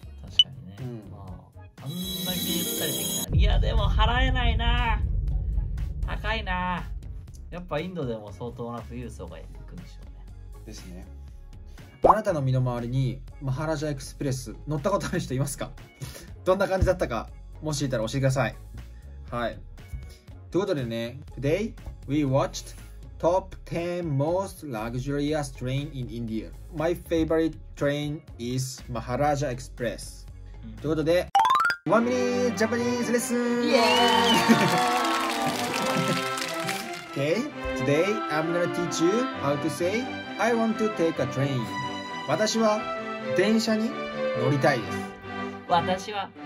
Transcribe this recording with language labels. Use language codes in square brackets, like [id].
[ja] 確かにね、うん、まあ、あんだけ言ったりできない。いやでも払えないな、高いな。やっぱインドでも相当な富裕層が行くんでしょうね。ですね。あなたの身の回りにマハラジャエクスプレス乗ったことある人いますか？どんな感じだったか、もしいたら教えてください。はい。ということでね、 [en] Today we watched top 10 most luxurious train in India. My favorite train is マハラジャエクスプレス。 [ja] ということで、 [en] One minute Japanese lesson! [ja] イエーイ！ [en] Okay, today I'm gonna teach you how to say I want to take a train. [ja] 私は電車に乗りたいです。私は電車に乗りたいです。